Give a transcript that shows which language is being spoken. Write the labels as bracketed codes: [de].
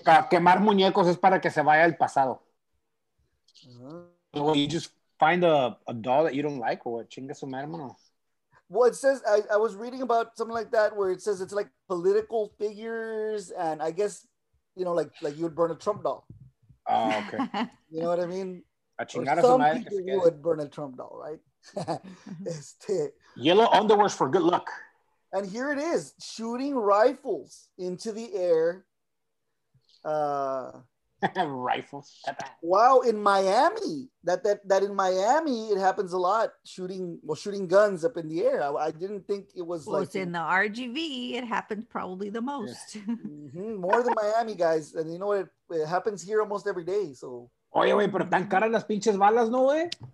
[es] Quemar muñecos es para que se vaya el pasado. [en] Uh-huh. So you just find a doll that you don't like, or what? [es] Chinga su madre, mano. [en] Well, it says, I was reading about something like that where it says it's like political figures, and I guess, you know, like you would burn a Trump doll. Oh, okay. You know what I mean? Some people would burn a Trump doll, right? Yellow underwear for good luck. And here it is, shooting rifles into the air. rifles. Wow, in Miami. That in Miami, it happens a lot, shooting guns up in the air. I didn't think it was in the RGV, it happened probably the most. Yeah. Mm-hmm. More than Miami, guys. And you know what? It happens here almost every day, so. [es] Oye, güey, pero tan caras las pinches balas, ¿no, güey?